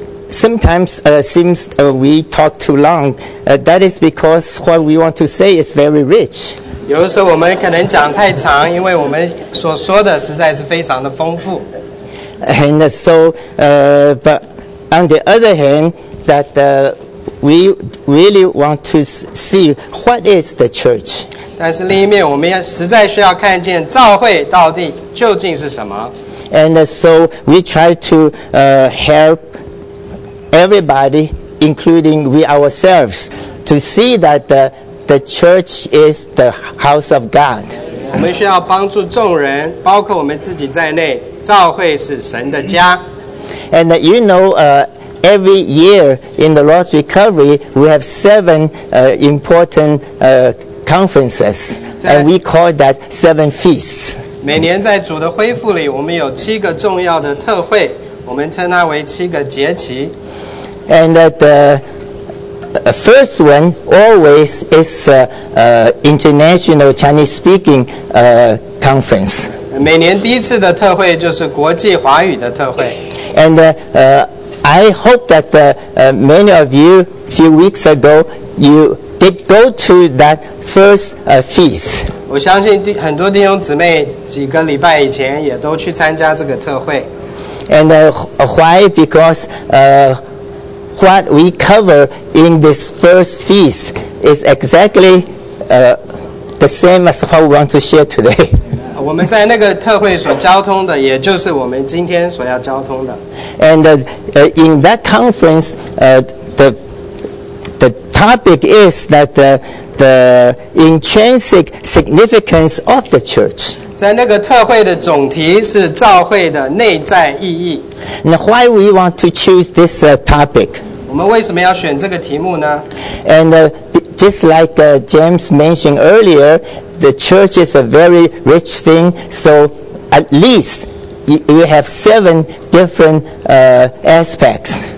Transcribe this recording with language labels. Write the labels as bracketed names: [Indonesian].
[English] Sometimes seems we talk too long. That is because what we want to say is very rich. [Chinese] 有的时候我们可能讲太长，因为我们所说的实在是非常的丰富。 [English] And so, but on the other hand, that we really want to see what is the church. [Chinese] 但是另一面，我们要实在需要看见教会到底究竟是什么。 [English] And so we try to help. Everybody, including we ourselves, to see that the church is the house of God. [Chinese] 我们需要帮助众人，包括我们自己在内，教会是神的家。 [English] And you know, every year in the Lord's Recovery, we have seven important conferences. And we call that seven feasts. [Chinese] 每年在主的恢复里，我们有七个重要的特会，我们称它为七个节期。 [English] And the first one always is international Chinese speaking conference. [Chinese] 每年第一次的特会就是国际华语的特会。 [English] And I hope that many of you few weeks ago you did go to that first feast. [Chinese] 我相信很多弟兄姊妹几个礼拜以前也都去参加这个特会。 [English] And why? Because what we cover in this first feast is exactly the same as what we want to share today. [Chinese] 我们在那个特会所交通的，也就是我们今天所要交通的。 [English] And in that conference, the topic is that the intrinsic significance of the church. [Chinese] 在那个特会的总题是召会的内在意义。 [English] Now, why we want to choose this topic? [Chinese] 我们为什么要选这个题目呢？ [English] And just like James mentioned earlier, the church is a very rich thing, so at least we have seven different aspects.